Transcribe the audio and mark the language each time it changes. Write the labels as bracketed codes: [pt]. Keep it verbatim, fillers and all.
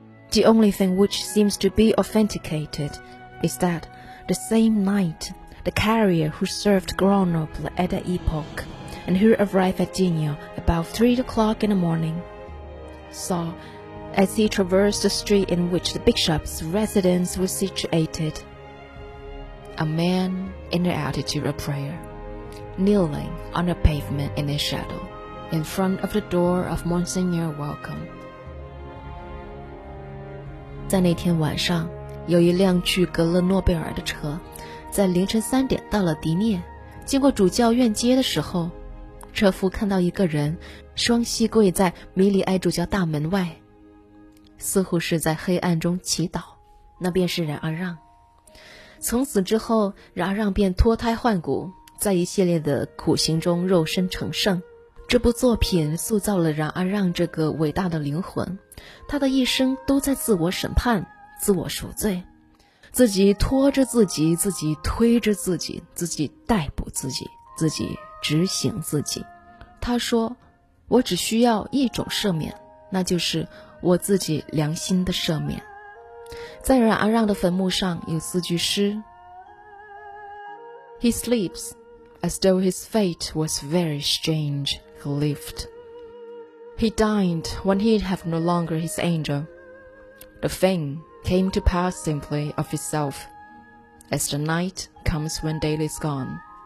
[en] The only thing which seems to be authenticated is that the same night, the carrier who served Grenoble at that epoch, and who arrived at Digne about three o'clock in the morning, saw, as he traversed the street in which the bishop's residence was situated,A man in the attitude of prayer, kneeling on the pavement in his shadow, in front of the door of Monseigneur Welcome. [zh] 在那天晚上，有一辆去格勒诺贝尔的车，在凌晨三点到了迪涅。经过主教院街的时候，车夫看到一个人双膝跪在米里埃主教大门外，似乎是在黑暗中祈祷，那便是冉阿让。从此之后，冉阿让便脱胎换骨，在一系列的苦行中肉身成圣。这部作品塑造了冉阿让这个伟大的灵魂，他的一生都在自我审判、自我赎罪，自己拖着自己，自己推着自己，自己逮捕自己，自己执行自己。他说：“我只需要一种赦免，那就是我自己良心的赦免。” 在冉阿让的坟墓上有四句诗 [en] He sleeps, as though his fate was very strange, he lived. He died when he'd have no longer his angel. The thing came to pass simply of itself, as the night comes when day is gone.